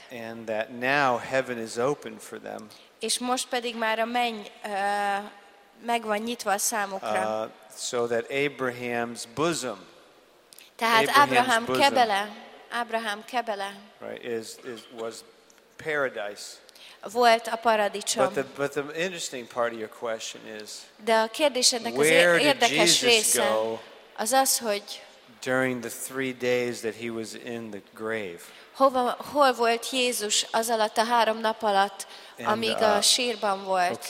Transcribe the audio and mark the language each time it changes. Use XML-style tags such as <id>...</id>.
<en>And that now heaven is open for them.</en> <hu>És most pedig már a menny meg van nyitva a számukra.</hu> <en>So that Abraham's bosom.</en> <hu>Tehát Ábrahám kebele. Ábrahám kebele.</hu> <en>Right, was paradise.</en> <hu>Volt a paradicsom.</hu> <en>But the interesting part of your question is,</en> <hu>de a kérdésednek az érdekes része az az, hogy</hu> <en>during the three days that he was in the grave.</en> <hu>Hol volt Jézus az alatt a három nap alatt, amíg a sírban volt?</hu>